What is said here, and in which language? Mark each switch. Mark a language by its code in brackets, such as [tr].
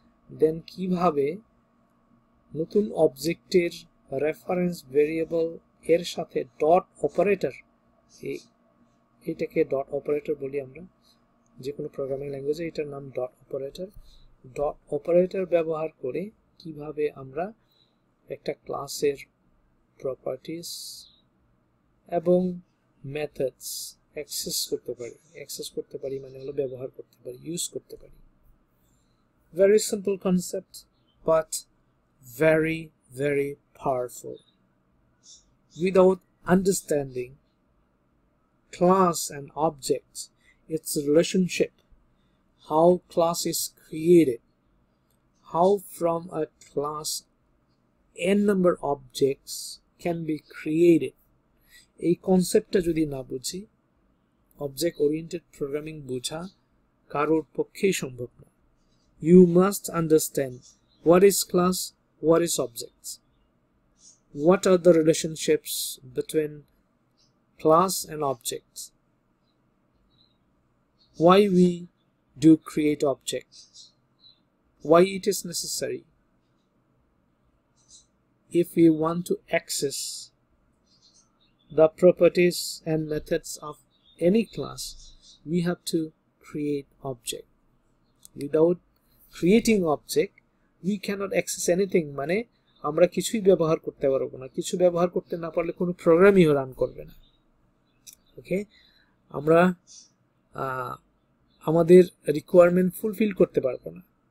[bn] দেন কিভাবে নতুন অবজেক্টের রেফারেন্স ভেরিয়েবল এর সাথে ডট অপারেটর, এইটাকে ডট অপারেটর বলি আমরা, যে কোনো প্রোগ্রামিং ল্যাঙ্গুয়েজে এটার নাম ডট অপারেটর, ডট অপারেটর ব্যবহার করে কিভাবে আমরা একটা ক্লাসের প্রপার্টিস এবং মেথডস অ্যাক্সেস করতে পারি। অ্যাক্সেস করতে পারি মানে হলো ব্যবহার করতে পারি, ইউজ করতে পারি। [en] Very simple concept, but very, very powerful. Without understanding class and object, its relationship, how class is created, how from a class n number objects can be created. [bn] এই কনসেপ্টটা যদি না বুঝি, অবজেক্ট ওরিয়েন্টেড প্রোগ্রামিং বোঝা কারোর পক্ষেই সম্ভব না। [en] You must understand what is class, what is object, what are the relationships between class and object, why we do create object, why it is necessary if we want to access the properties and methods of any class, we have to create object. Without creating object we cannot access anything, [bn] মানে আমরা কিছুই ব্যবহার করতে পারবো না, কিছু ব্যবহার করতে না পারলে কোনো প্রোগ্রামই রান করবে না। ওকে, আমরা আমাদের রিকোয়ারমেন্ট ফুলফিল করতে পারবো না।